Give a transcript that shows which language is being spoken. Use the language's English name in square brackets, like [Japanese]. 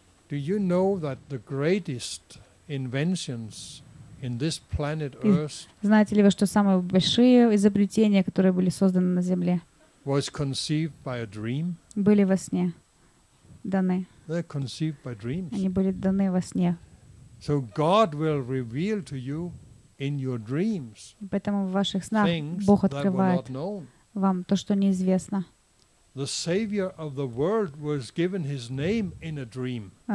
[English] Do you know that the greatest inventions in this planet Earth? [Russian] Знаете ли вы, что самые большие изобретения, которые были созданы на Земле? [English] Was conceived by a dream. [Russian] Были во сне даны. [English] They're conceived by dreams. [Russian] Они были даны во сне. [English] So God will reveal to you in your dreams. [Russian] Поэтому в ваших снах Бог открывает вам то, что неизвестно. [English] The Savior of the world was given His name in a dream.